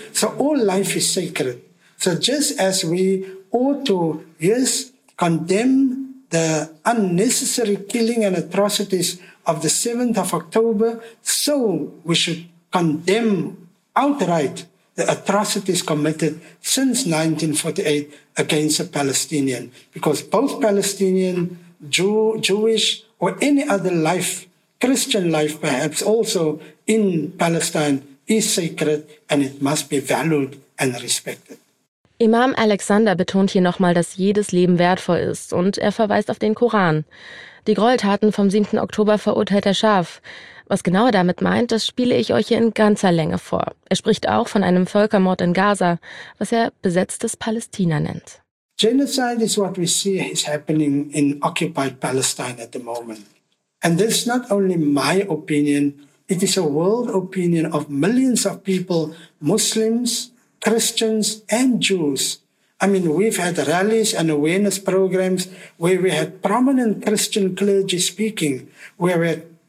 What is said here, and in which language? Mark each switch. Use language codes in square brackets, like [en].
[en] So all life is sacred. So just as we ought to, yes, condemn the unnecessary killing and atrocities of the 7th of October, so we should condemn outright the atrocities committed since 1948 against the Palestinian, because both Palestinian, Jewish, or any other life, Christian life perhaps also in Palestine, is sacred and it must be valued and respected. [de] Imam Alexander betont hier nochmal, dass jedes Leben wertvoll ist und er verweist auf den Koran. Die Gräueltaten vom 7. Oktober verurteilt er scharf. Was genau er damit meint, das spiele ich euch hier in ganzer Länge vor. Er spricht auch von einem Völkermord in Gaza, was er besetztes Palästina nennt. [en] Genocide is what we see is happening in occupied Palestine at the moment. And this is not only my opinion, it is a world opinion of millions of people, Muslims, Christians and Jews. I mean, we've had rallies and awareness programs where we had prominent Christian clergy speaking, where we had